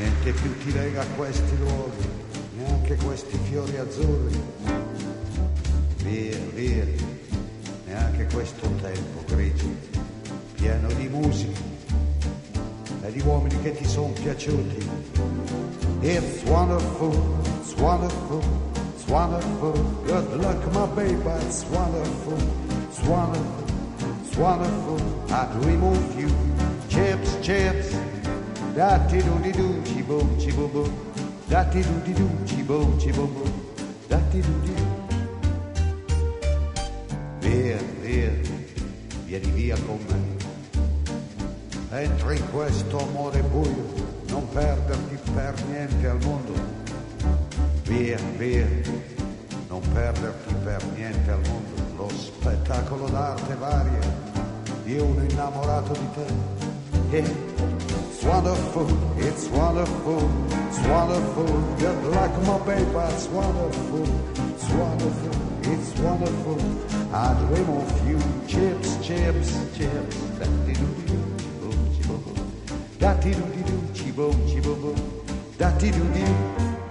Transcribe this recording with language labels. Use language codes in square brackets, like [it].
[it] Niente più ti lega questi luoghi. Neanche questi fiori azzurri, via, via, neanche questo tempo grigio, pieno di musica e di uomini che ti son piaciuti. [en] It's wonderful, it's wonderful, it's wonderful, good luck my baby, it's wonderful, it's wonderful, it's wonderful, I'd remove you, chips, chips, da-ti-do-di-doo, chi-boom, chi-boom-boom. Dati du di du ci bo ci bo bo, dati du di du. [it] Via, via, vieni via con me. Entri in questo amore buio, non perderti per niente al mondo. Via, via, non perderti per niente al mondo. Lo spettacolo d'arte varia di uno innamorato di te. [en] Yeah. It's wonderful, it's wonderful, it's wonderful, good luck my baby, it's wonderful, it's wonderful, it's wonderful, I dream of you, chips, chips, chips, da-ti-do-di-do-chi-bo-bo, da-ti-do-di-do-chi-bo-chi-bo-bo, da-ti-do-di-do.